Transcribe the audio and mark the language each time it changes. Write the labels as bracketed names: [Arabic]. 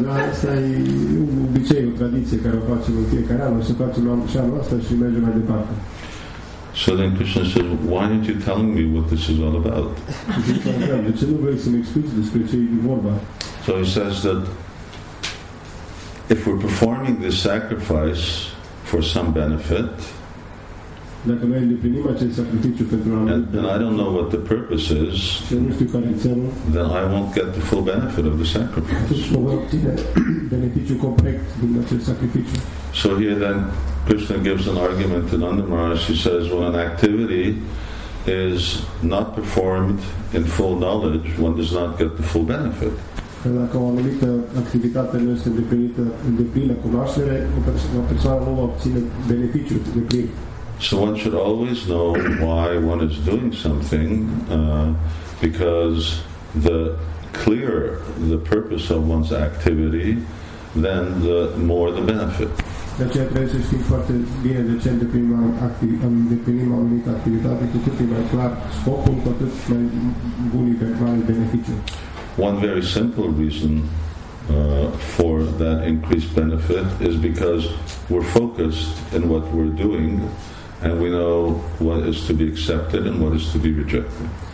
[Romanian] Asta e un obicei, o tradiție care o facem în fiecare an, o să facem și anul ăsta și mergem mai departe. [English] So then Krishna says, why aren't you telling me what this is all about? [Romanian] De ce nu vrei să-mi explici despre ce e vorba? [English] So he says that if we're performing this sacrifice for some benefit, [Romanian] dacă noi îndeplinim acest sacrificiu pentru un anumit, [English] and I don't know what the purpose is, [Romanian] nu știu care e țelul, [English] then I won't get the full benefit of the sacrifice. [Romanian] Nu voi obține beneficiul complet din acest sacrificiu. [English] So here then Krishna gives an argument to Nanda Maharaj. He says, when an activity is not performed in full knowledge, one does not get the full benefit. [Romanian] Dacă o anumită activitate nu este îndeplinită în deplină cunoaștere, o persoană nu obține beneficiul de plin. [English] So one should always know why one is doing something, because the clearer the purpose of one's activity, then the more the benefit. [Romanian] De aceea trebuie să știm foarte bine de ce îndeplinim anumite activitate, cu cât e mai clar scopul, cu atât mai bun e mai beneficiu. [English] One very simple reason for that increased benefit is because we're focused in what we're doing and we know what is to be accepted and what is to be rejected.